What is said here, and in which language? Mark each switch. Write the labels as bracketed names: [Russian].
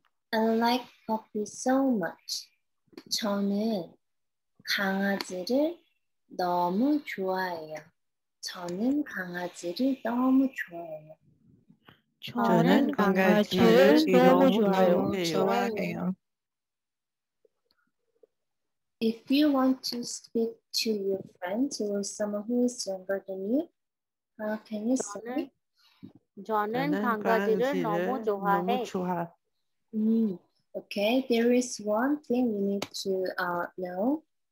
[English] I like puppy so much. [Korean] 저는 강아지를 너무 좋아해요. 저는 강아지를 너무 좋아해요. 저는 강아지를 너무 좋아해요. [English] If you want to speak to your friend or someone who is younger than you, can you say? [Korean] 저는 강아지를 너무 좋아해. [English] 오케이, there is one thing you need to know.